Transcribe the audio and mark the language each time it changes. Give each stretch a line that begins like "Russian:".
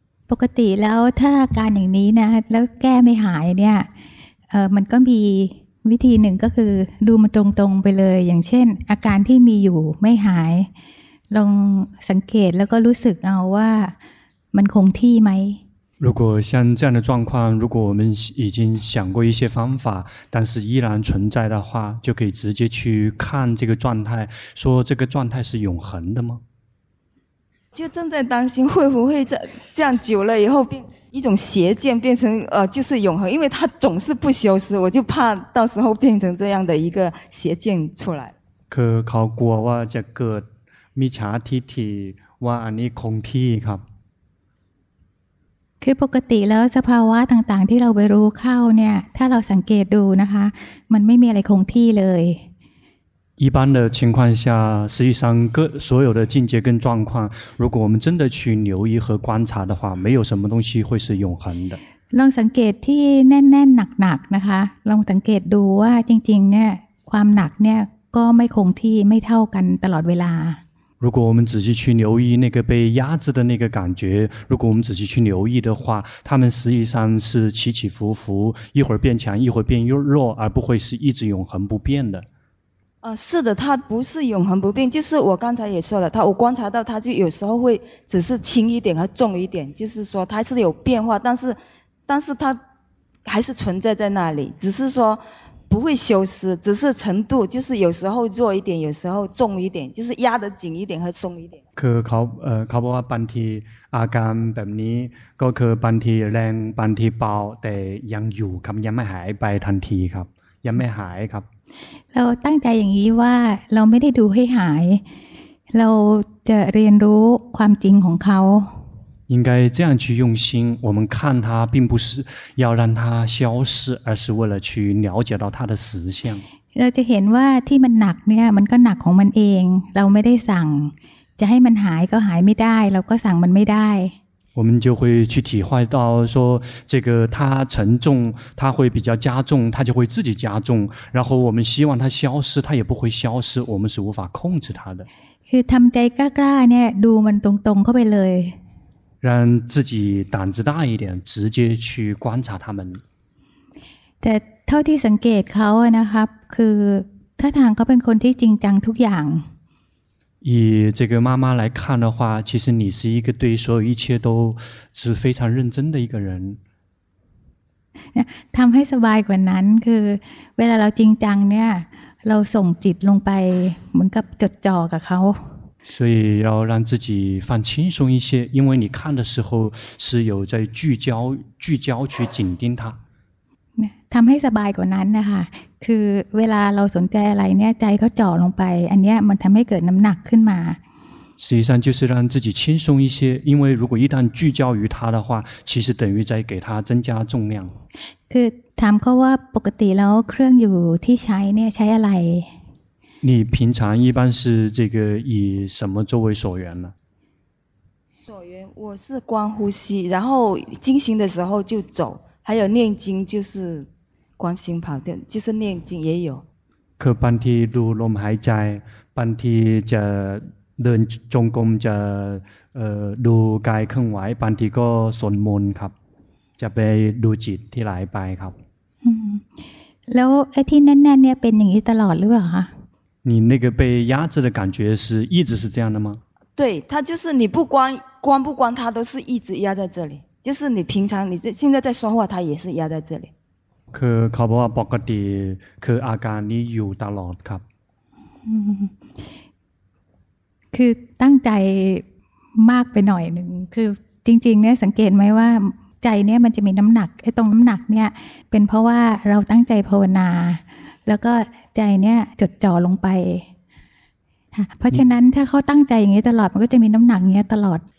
Thai: ปกติแล้วถ้าอาการอย่างนี้นะแล้วแก้ไม่หายเนี่ยมันก็มีวิธีหนึ่งก็คือดูมันตรงๆไปเลยอย่างเช่นอาการที่มีอยู่ไม่หายลองสังเกตแล้วก็รู้สึกเอาว่ามันคงที่ไหม
Chinese: 如果像这样的状况如果我们已经想过一些方法但是依然存在的话就可以直接去看这个状态说这个状态是永恒的吗就正在担心会不会这样久了以后变一种邪见变成就是永恒因为它总是不消失我就怕到时候变成这样的一个邪见出来
Thai: คือเขากลัวว่าจะเกิดมิจฉาทิฐิว่าอันนี้คงที่ครับ คือปกติแล้วสภาวะต่างๆที่เราไปรู้เข้าเนี่ยถ้าเราสังเกตดูนะคะมันไม่มีอะไรคงที่เลย
Chinese: 一般的情况下实际上各所有的境界跟状况如果我们真的去留意和观察的话没有什么东西会是永恒的
Thai: ลองสังเกตที่แน่นๆหนักๆนะคะลองสังเกตดูว่าจริงๆเนี่ยความหนักเนี่ยก็ไม่คงที่ไม่เท่ากันตลอดเวลา
Chinese: 如果我们仔细去留意那个被压制的那个感觉如果我们仔细去留意的话它们实际上是起起伏伏一会儿变强一会儿变弱而不会是一直永恒不变的是的它不是永恒不变就是我刚才也说了它我观察到它就有时候会只是轻一点和重一点就是说它是有变化但是它还是存在在那里只是说不会消失只是程度就是有时候弱一点有时候重一点就是压得紧一点和松一点
Thai: คือเขาบอกว่าบางทีอาการแบบนี้ก็คือบางทีแรงบางทีเบาแต่ยังอยู่ครับยังไม่หายไปทันทีครับยังไม่หายครับ เราตั้งใจอย่างนี้ว่าเราไม่ได้ดูให้หายเราจะเรียนรู้ความจริงของเขา
Chinese: 应该这样去用心我们看它并不是要让它消失而是为了去了解到它的实相
Thai: เราจะเห็นว่าที่มันหนักเนี่ยมันก็หนักของมันเองเราไม่ได้สั่งจะให้มันหายก็หายไม่ได้เราก็สั่งมันไม่ได้
Chinese: 我们就会去体会到说这个它沉重它会比较加重它就会自己加重然后我们希望它消失它也不会消失我们是无法控制它的
Thai: คือทำใจกล้าๆเนี่ยดูมันตรงๆเข้าไปเลย
Chinese: 让自己胆子大一点直接去观察它们
Thai: แต่เท่าที่สังเกตเขานะครับคือท่าทางเขาเป็นคนที่จริงจังทุกอย่าง
Chinese: 以这个妈妈来看的话其实你是一个对所有一切都是非常认真的一个人
Thai: ทำให้สบายกว่านั้นคือเวลาเราจริงจังเนี่ยเราส่งจิตลงไปเหมือนกับจดจ่อกับเขา
Chinese: 所以要让自己放轻松一些因为你看的时候是有在聚焦去紧盯他
Thai: ทำให้สบายกว่านั้นนะคะคือเวลาเราสนใจอะไรเนี่ยใจเขาจ่อลงไปอันเนี้ยมันทำให้เกิดน้ำหนักขึ้นมา
Chinese: 实际上就是让自己轻松一些因为如果一旦聚焦于他的话其实等于在给他增加重量
Thai: คือถามเขาว่าปกติแล้วเครื่องอยู่ที่ใช้เนี่ยใช้อะไร
Chinese: 你平常一般是这个以什么作为所缘呢所缘我是观呼吸然后静心的时候就走还有念经就是观心跑掉就是念经也有
Thai: คือบางทีดูลมหายใจบางทีจะเดินจงกรมจะดูกายเคลื่อนไหวบางทีก็สวดมนต์ครับจะไปดูจิตที่ไหลไปครับ แล้วไอ้ที่แน่นๆเนี่ยเป็นอย่างนี้ตลอดหรือเปล่าคะ
Chinese: 你那个被压制的感觉是一直是这样的吗对它就是你不关关不关它都是一直压在这里就是你平常你现在在说话它也是压在这里
Thai: คือเขาบอกว่าปกติคืออาการนี้อยู่ตลอดครับ คือตั้งใจมากไปหน่อยหนึ่งคือจริงๆเนี่ยสังเกตไหมว่าใจเนี่ยมันจะมีน้ำหนักไอ้ตรงน้ำหนักเนี่ยเป็นเพราะว่าเราตั้งใจภาวนาแล้วก็ใจเนี่ยจดจ่อลงไปเพราะฉะนั้นถ้าเขาตั้งใจอย่างนี้ตลอดมันก็จะมีน้ำหนักเนี้ยตลอด